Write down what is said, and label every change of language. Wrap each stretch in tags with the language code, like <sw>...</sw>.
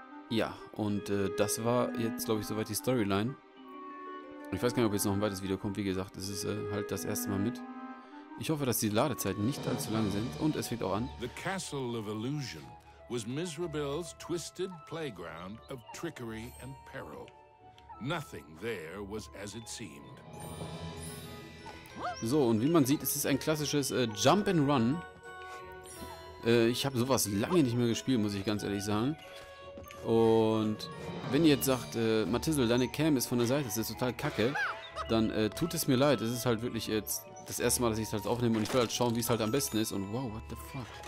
<de>Ja, und das war jetzt, glaube ich, soweit die Storyline. Ich weiß gar nicht, ob jetzt noch ein weiteres Video kommt. Wie gesagt, es ist halt das erste Mal mit. Ich hoffe, dass die Ladezeiten nicht allzu lang sind. Und es fängt auch an.</de> <en>The Castle of Illusion was Miserabel's twisted playground of trickery and peril. Nothing there was as it seemed.</en> <de>So, und wie man sieht, es ist ein klassisches Jump and Run. Ich habe sowas lange nicht mehr gespielt, muss ich ganz ehrlich sagen. Und wenn ihr jetzt sagt, Mathisel, deine Cam ist von der Seite, das ist total kacke, dann tut es mir leid. Es ist halt wirklich jetzt das erste Mal, dass ich es halt aufnehme und ich will halt schauen, wie es halt am besten ist. Und</de> <en>wow, what the fuck.</en>